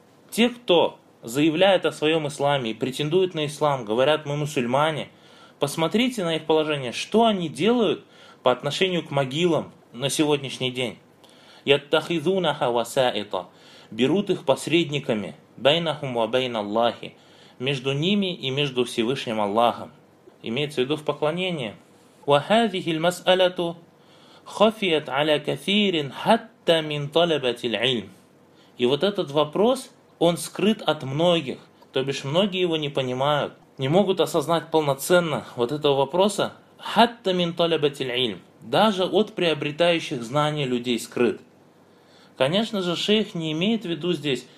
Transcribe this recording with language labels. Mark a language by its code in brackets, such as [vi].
[ru] Те, кто заявляет о своем исламе и претендует на ислам, говорят, мы мусульмане, посмотрите на их положение, что они делают по отношению к могилам на сегодняшний день. [ar] Яттахизунаха васаита. [ru] Берут их посредниками, [ar] байнахум ва байна Аллахи, [ru] между ними и между Всевышним Аллахом. Имеется в виду в поклонении. [ar] وهذه المسألة خفيت على كثير حتى من طلبة العلم. [ru] И вот этот вопрос, он скрыт от многих, то бишь многие его не понимают, не могут осознать полноценно вот этого вопроса, [ar] حتى من طلبة العلم, [ru] даже от приобретающих знания людей скрыт. Конечно же, шейх не имеет в виду здесь